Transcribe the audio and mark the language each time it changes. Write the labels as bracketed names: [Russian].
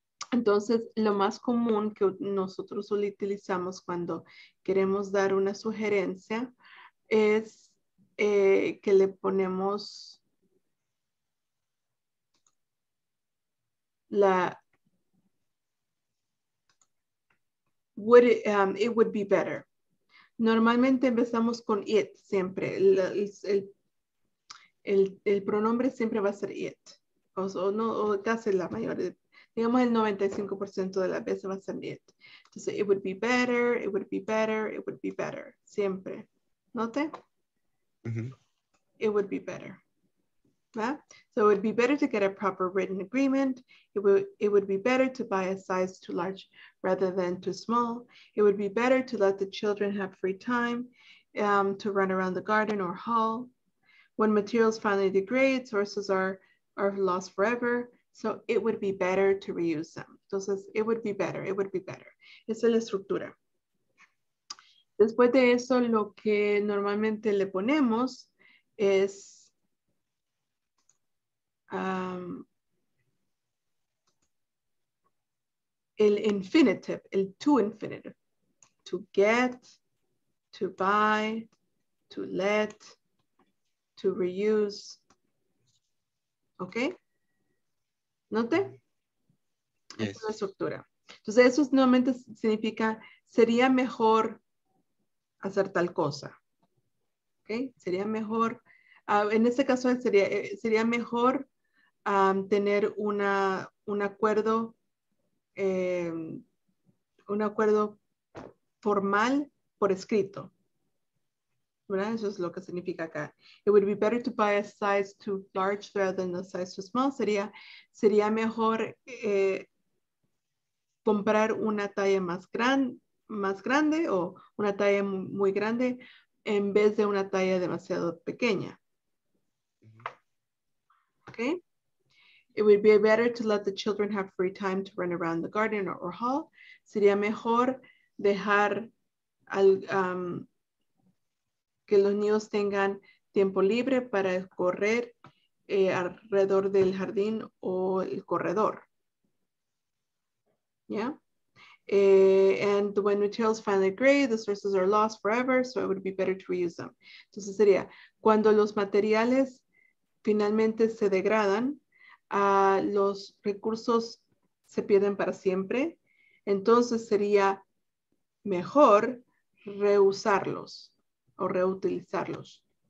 [Spanish] Entonces, lo más común que nosotros utilizamos cuando queremos dar una sugerencia es que le ponemos la [English] it would be better. [Spanish] Normalmente empezamos con it siempre. El pronombre siempre va a ser it. O casi la mayor. Digamos el 95% de las veces va a ser it. Entonces, [English] it would be better, it would be better, it would be better. [Spanish] Siempre. ¿Note? Uh-huh. [English] It would be better. [Spanish] ¿Va? [English] So, it would be better to get a proper written agreement. It would be better to buy a size too large rather than too small. It would be better to let the children have free time to run around the garden or hall. When materials finally degrade, sources are lost forever. So it would be better to reuse them. [Spanish] Entonces, it would be better, it would be better. Esa es la estructura. Después de eso, lo que normalmente le ponemos es el infinitive, el to infinitive. [English] To get, to buy, to let, to reuse. Okay? [Spanish] ¿Note? [English] Yes. [Spanish] Esa es la estructura. Entonces, eso nuevamente significa, sería mejor hacer tal cosa. Okay, sería mejor, en este caso sería, sería mejor tener una, un acuerdo formal por escrito. ¿Verdad? Eso es lo que significa acá. [English] It would be better to buy a size too large rather than a size too small. [Spanish] Sería, sería mejor comprar una talla más, más grande o una talla muy grande en vez de una talla demasiado pequeña. [English] Okay. It would be better to let the children have free time to run around the garden or hall. [Spanish] Sería mejor dejar al, que los niños tengan tiempo libre para correr alrededor del jardín o el corredor. [English] Yeah. And when materials finally agree, the sources are lost forever, so it would be better to reuse them. [Spanish] Entonces sería, cuando los materiales finalmente se degradan, los recursos se pierden para siempre, entonces sería mejor reusarlos o reutilizarlos.